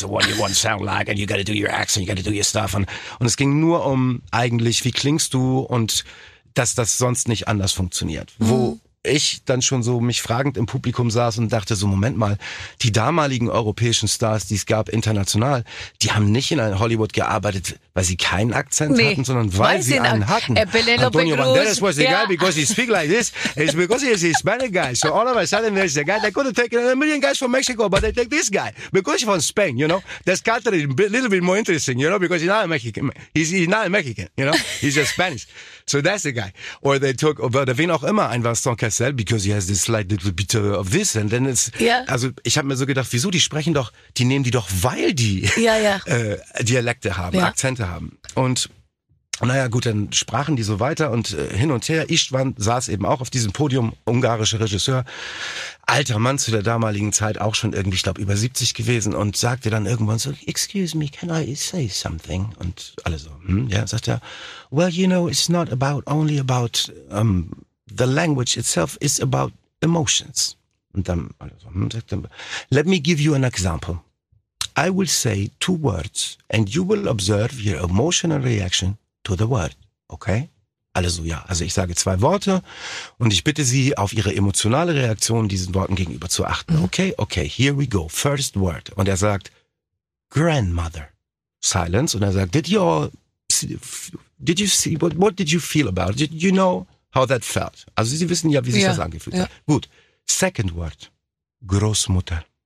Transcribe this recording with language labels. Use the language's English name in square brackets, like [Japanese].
[English] So what you want to sound like and you gotta do your accent, you gotta do your stuff. [German] Und es ging nur um eigentlich, wie klingst du und dass das sonst nicht anders funktioniert. Mhm. Wo ich dann schon so mich fragend im Publikum saß und dachte so, Moment mal, die damaligen europäischen Stars, die es gab international, die haben nicht in Hollywood gearbeitet, weil sie keinen Akzent hatten, sondern weil sie einen hatten. [English] Antonio Banderas was the guy because he speak like this. It's because he's a Hispanic guy. So all of a sudden there's a guy that could have taken a million guys from Mexico, but they take this guy because he's from Spain, you know. That's culturally a little bit more interesting, you know, because he's not a Mexican. He's not a Mexican, you know. He's just Spanish. So that's the guy. Or they took, [German] oder wen auch immer, ein [English] Vincent Cassel, because he has this slight little bit of this. [German] And then it's, also ich habe mir so gedacht, wieso, die sprechen doch, die nehmen die doch, weil die Dialekte haben, Akzente haben. Und naja, gut, dann sprachen die so weiter und hin und her. Istvan saß eben auch auf diesem Podium, ungarischer Regisseur, alter Mann zu der damaligen Zeit, auch schon irgendwie, ich glaube, über 70 gewesen und sagte dann irgendwann so, [English] excuse me, can I say something? [German] Und alle so, sagt er, [English] well, you know, it's not about only about the language itself, it's about emotions. [German] Und dann alle so, sagt er, [English] let me give you an example. I will say two words and you will observe your emotional reaction to the word, okay? [German] Alle so, ja. Also ich sage zwei Worte und ich bitte Sie, auf Ihre emotionale Reaktion diesen Worten gegenüber zu achten. [English] Mhm. Okay, okay, here we go. First word. [German] Und er sagt, [English] grandmother. Silence. [German] Und er sagt, [English] what did you feel about it? Did you know how that felt? [German] Also Sie wissen ja, wie sich das angefühlt hat. Gut. [English] Second word. [German] Großmutter.